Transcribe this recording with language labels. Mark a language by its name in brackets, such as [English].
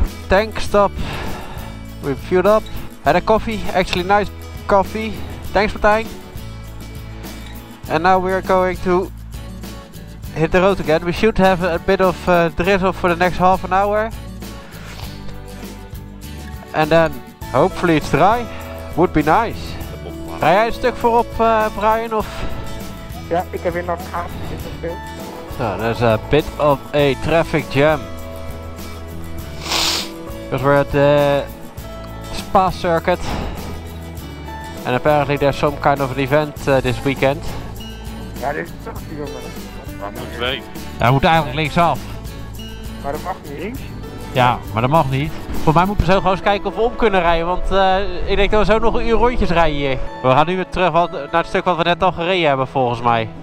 [English] Tankstop, we've fueled up, had a coffee, actually nice coffee, thanks Martijn. And now we are going to hit the road again. We should have a bit of drizzle for the next half an hour. And then hopefully it's dry, would be nice. [Dutch] Rij jij een stuk voorop Brian of? Ja, ik heb hier nog een [English] gaten. So, there's a bit of a traffic jam. Because we're at the spa circuit and apparently there's some kind of an event this weekend. [Dutch] Ja, dit is toch die jongen. Waar moet twee? Ja, hij moet eigenlijk linksaf. Maar dat mag niet links. Ja, maar dat mag niet. Voor mij moeten we zo gewoon eens kijken of we om kunnen rijden, want ik denk dat we zo nog een uur rondjes rijden hier. We gaan nu weer terug naar het stuk wat we net al gereden hebben volgens mij.